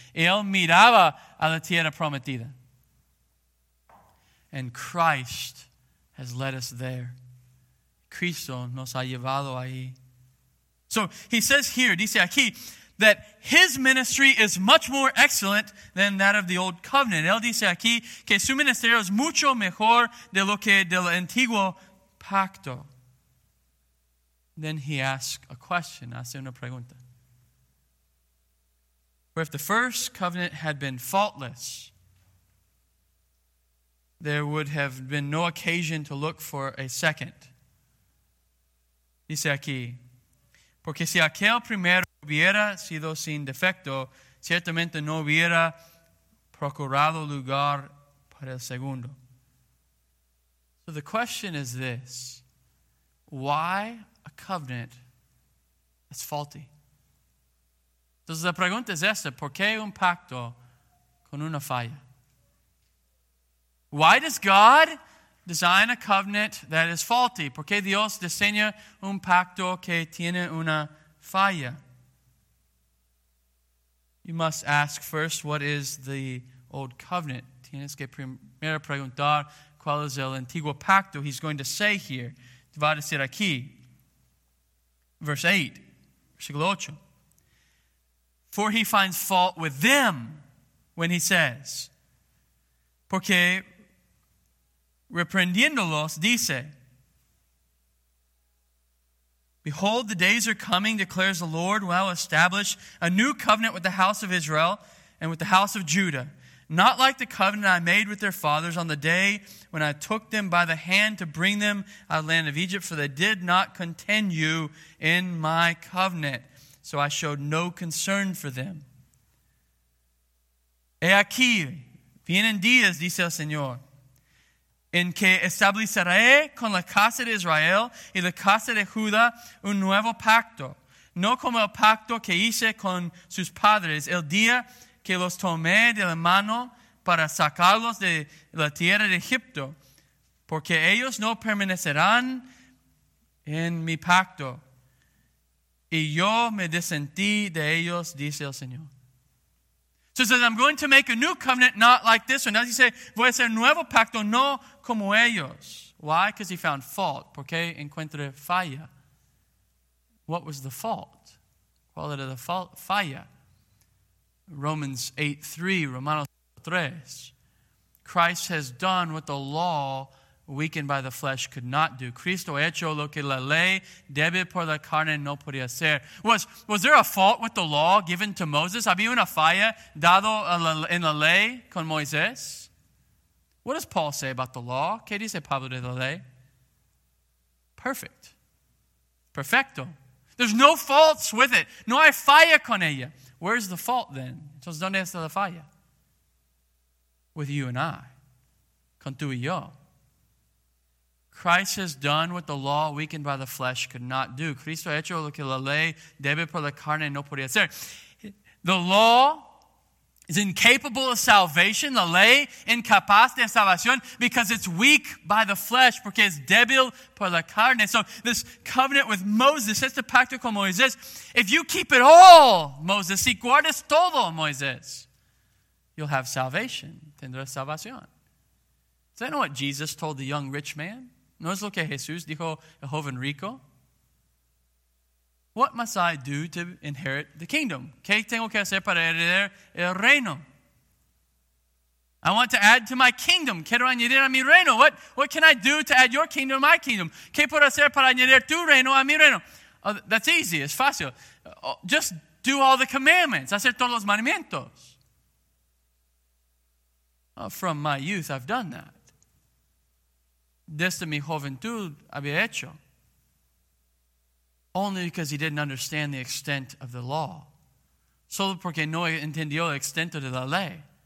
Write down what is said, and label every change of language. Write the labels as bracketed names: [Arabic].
[Spanish] Él miraba a la tierra prometida. [English] And Christ has led us there. [Spanish] Cristo nos ha llevado ahí. [English] So he says here, [Spanish] dice aquí, [English] that his ministry is much more excellent than that of the old covenant. [Spanish] Él dice aquí que su ministerio es mucho mejor de lo que del antiguo pacto. [English] Then he asks a question, [Spanish] hace una pregunta. [English] For if the first covenant had been faultless, there would have been no occasion to look for a second. [Spanish] Dice aquí, porque si aquel primero hubiera sido sin defecto, ciertamente no hubiera procurado lugar para el segundo. [English] So the question is this: why a covenant is faulty? [Spanish] Entonces la pregunta es esta: ¿por qué un pacto con una falla? [English] Why does God design a covenant that is faulty? [Spanish] ¿Por qué Dios diseña un pacto que tiene una falla? [English] You must ask first, what is the old covenant? [Spanish] Tienes que primero preguntar, ¿cuál es el antiguo pacto? [English] He's going to say here, [Spanish] va a decir aquí, [English] verse 8, [Spanish] versículo 8. [English] For he finds fault with them when he says, [Spanish] porque reprendiéndolos dice, [English] behold, the days are coming, declares the Lord, when I will establish a new covenant with the house of Israel and with the house of Judah, not like the covenant I made with their fathers on the day when I took them by the hand to bring them out of the land of Egypt, for they did not continue in my covenant, so I showed no concern for them. [Spanish] He aquí, vienen días, dice el Señor, en que estableceré con la casa de Israel y la casa de Judá un nuevo pacto, no como el pacto que hice con sus padres, el día que los tomé de la mano para sacarlos de la tierra de Egipto, porque ellos no permanecerán en mi pacto, y yo me desentí de ellos, dice el Señor. [English] So he says, I'm going to make a new covenant, not like this one. Now he says, [Spanish] voy a hacer nuevo pacto, no como ellos. [English] Why? Because he found fault. [Spanish] ¿Por qué encuentra falla? [English] What was the fault? [Spanish] ¿Cuál era la falla? Romanos 3. [English] Christ has done what the law, weakened by the flesh, could not do. [Spanish] Cristo hecho lo que la ley débil por la carne no podía hacer. [English] Was there a fault with the law given to Moses? [Spanish] ¿Había una falla dado en la ley con Moisés? [English] What does Paul say about the law? [Spanish] ¿Qué dice Pablo de la ley? [English] Perfect. [Spanish] Perfecto. [English] There's no faults with it. [Spanish] No hay falla con ella. [English] Where's the fault then? [Spanish] Entonces, ¿dónde está la falla? [English] With you and I. [Spanish] Con tú y yo. [English] Christ has done what the law weakened by the flesh could not do. [Spanish] Cristo ha hecho lo que la ley debe por la carne no podía hacer. [English] The law is incapable of salvation. [Spanish] La ley incapaz de salvación [English] because it's weak by the flesh, [Spanish] porque es débil por la carne. [English] So this covenant with Moses, [Spanish] este pacto con Moisés, [English] if you keep it all, Moses, [Spanish] si guardas todo, Moisés, [English] you'll have salvation. [Spanish] Tendrás salvación. [English] Does that know what Jesus told the young rich man? [Spanish] ¿No es lo que Jesús dijo al joven rico? [English] What must I do to inherit the kingdom? [Spanish] ¿Qué tengo que hacer para heredar el reino? [English] I want to add to my kingdom. [Spanish] Quiero añadir a mi reino. [English] What can I do to add your kingdom to my kingdom? [Spanish] ¿Qué puedo hacer para añadir tu reino a mi reino? [English] That's easy. It's fácil. Just do all the commandments. [Spanish] Hacer todos los mandamientos. [English] From my youth, I've done that. [Spanish] Desde mi juventud había hecho. [English] Only because he didn't understand the extent of the law. [Spanish] Solo porque no entendió el extento de la ley.